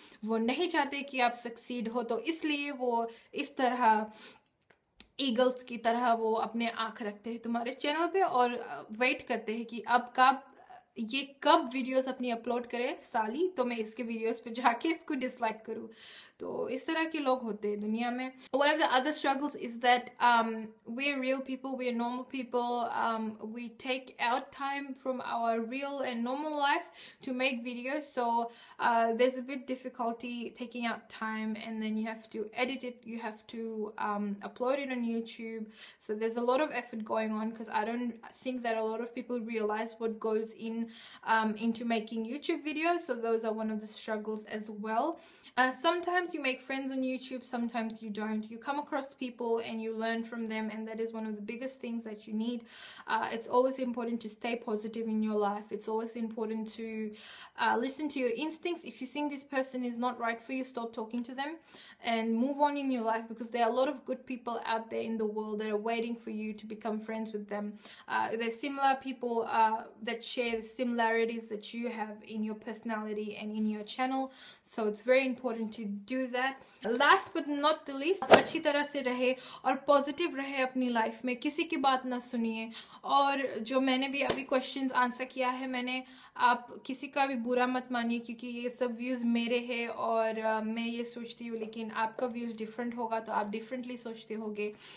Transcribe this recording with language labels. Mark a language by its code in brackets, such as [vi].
[hi] Wo nahi chahte ki aap succeed ho, to isliye wo is tarah eagles ki tarah wo apne aankh rakhte hain tumhare channel pe aur wait karte hain ki ab kab ये कब videos अपनी upload करे साली, तो मैं इसके videos पे जाके इसको डिसलाइक करूँ. तो इस तरह के लोग होते हैं दुनिया में. [en] One of the other struggles is that we are real people, we are normal people. We take out time from our real and normal life to make videos. So there is a bit difficulty taking out time, and then you have to edit it, you have to upload it on YouTube. So there is a lot of effort going on, because I don't think that a lot of people realise what goes in into making YouTube videos. So those are one of the struggles as well. Sometimes you make friends on YouTube, sometimes you don't. You come across people and you learn from them, and that is one of the biggest things that you need. It's always important to stay positive in your life. It's always important to listen to your instincts. If you think this person is not right for you, stop talking to them and move on in your life, because there are a lot of good people out there in the world that are waiting for you to become friends with them. They're similar people that share the similarities that you have in your personality and in your channel. So it's very important to do that. Last but not the least, [hi] अच्छी तरह से रहे और positive रहे अपनी life में, किसी की बात ना सुनिए. और जो मैंने भी अभी questions answer किया है मैंने, आप किसी का भी बुरा मत मानिए, क्योंकि ये सब views मेरे हैं और मैं ये सोचती हूँ, लेकिन आपका views different होगा तो आप differently सोचते होगे.